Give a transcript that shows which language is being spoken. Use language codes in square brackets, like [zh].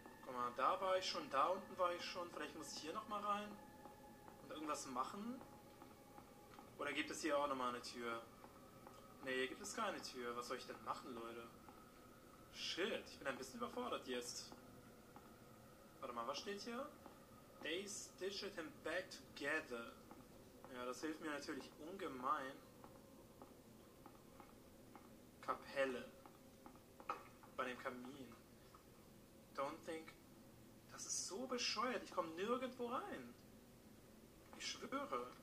[de] Guck mal, da war ich schon, da unten war ich schon. Vielleicht muss ich hier nochmal rein und irgendwas machen. Oder gibt es hier auch nochmal eine Tür? Nee, hier gibt es keine Tür. Was soll ich denn machen, Leute? Shit, ich bin ein bisschen überfordert jetzt. Warte mal, was steht hier? [en] They stitched him back together. [de] Ja, das hilft mir natürlich ungemein. Kapelle. Bei dem Kamin. [en] Don't think. [de] Das ist so bescheuert. Ich komme nirgendwo rein. Ich schwöre.